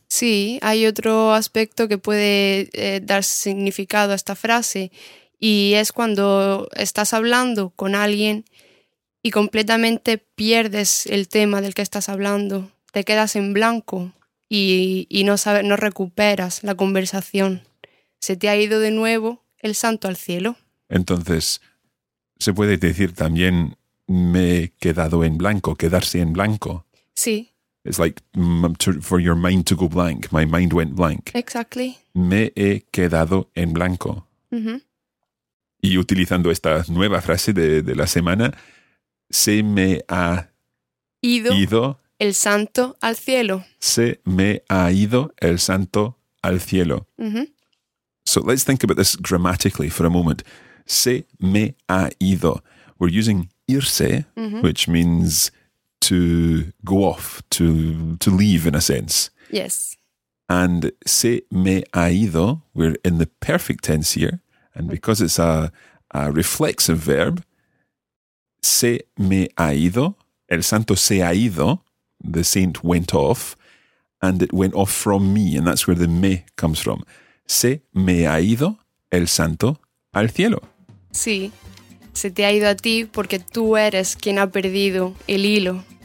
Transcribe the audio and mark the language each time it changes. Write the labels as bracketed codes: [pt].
[es] Sí, hay otro aspecto que puede dar significado a esta frase y es cuando estás hablando con alguien y completamente pierdes el tema del que estás hablando. Te quedas en blanco y no sabes, no recuperas la conversación. Se te ha ido de nuevo el santo al cielo. Entonces, se puede decir también... Me he quedado en blanco, quedarse en blanco. Sí. [en] It's like for your mind to go blank. My mind went blank. Exactly. [es] Me he quedado en blanco. Uh-huh. Y utilizando esta nueva frase de la semana, se me ha ido el santo al cielo. Se me ha ido el santo al cielo. Uh-huh. [en] So let's think about this grammatically for a moment. [es] Se me ha ido. [en] We're using irse, mm-hmm. which means to go off, to leave in a sense. Yes. And [es] se me ha ido, [en] we're in the perfect tense here, and because it's a reflexive verb, se me ha ido, el santo se ha ido, the saint went off, and it went off from me, and that's where the me comes from. [es] Se me ha ido el santo al cielo. Sí. Se te ha ido a ti porque tú eres quien ha perdido el hilo.